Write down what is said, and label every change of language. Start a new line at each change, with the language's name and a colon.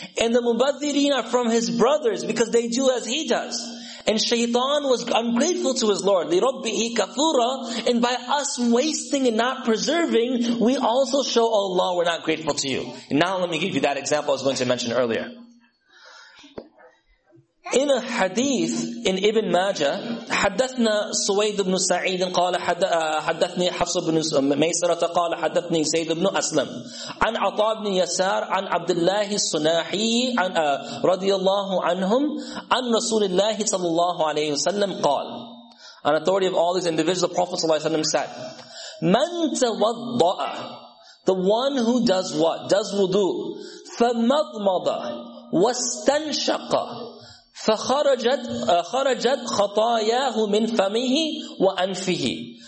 English: And the mubadhirin are from his brothers because they do as he does. And shaitan was ungrateful to his Lord.
Arabic: لِرَبِّهِ كَفُورًا.
English: And by us wasting and not preserving, we also show, oh Allah, we're not grateful to you. And now let me give you that example I was going to mention earlier. In a hadith in Ibn Majah,
Arabic: حدثنا سويد بن سعيد قال حدثني حفص بن ميسرة قال حدثني زيد بن أسلم عن عطاء بن يسار عن عبد الله الصناحي عن رضي الله عنهم عن رسول الله صلى الله عليه وسلم قال.
English: An authority of all these individuals, the Prophet صلى الله عليه وسلم said,
Arabic: من توضأ,
English: the one who does what? Does wudu.
Arabic: فمضمض واستنشق فَخَرَجَتْ خَطَايَاهُ مِنْ فَمِهِ وَأَنْفِهِ.